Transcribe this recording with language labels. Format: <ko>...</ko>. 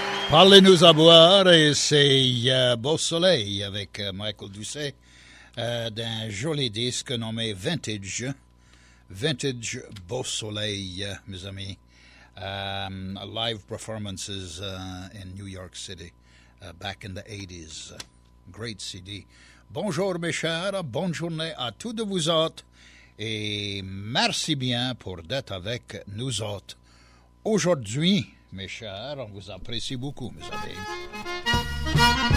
<fr>Parlez-nous à boire, et c'est Beau Soleil avec Michael Doucet d'un joli disque nommé Vintage. Vintage Beau Soleil, mes amis.</fr> <en>Live performances in New York City back in the 80s. Great CD.</en> <fr>Bonjour mes chers, bonne journée à tous de vous autres et merci bien pour d'être avec nous autres aujourd'hui. Mes chers, on vous apprécie beaucoup, mes amis.</fr>